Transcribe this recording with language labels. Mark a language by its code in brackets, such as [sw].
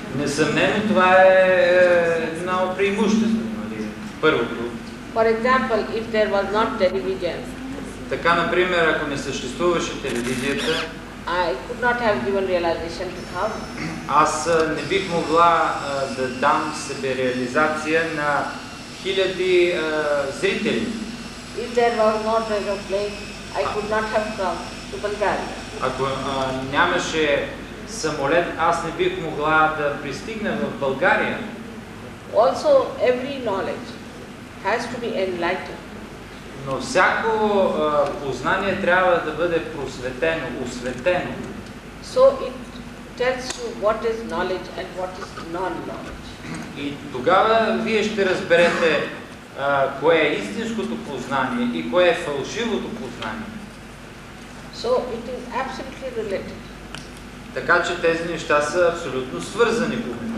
[bg] Несъмнено, това е едно преимущество, нали? Първото. [en] For example, if there was not television. [bg] Така, например, ако не съществуваше телевизията, [en] I could not have given realization to how. [bg] Аз не бих могла да дам себе реализация на хиляди зрители. [en] If there was not a plane, I could not have come to Bulgaria. [bg] Ако нямаше самолет, аз не бих могла да пристигна в България. [en] Also, every knowledge has to be enlightened. [bg] Но всяко познание трябва да бъде просветено, осветено. [en] So it tells you what is knowledge and what is non-knowledge. [bg] И тогава вие ще разберете кое е истинското познание и кое е фалшивото познание. [en] So it is absolutely related. [bg] Така че тези неща са абсолютно свързани по мен.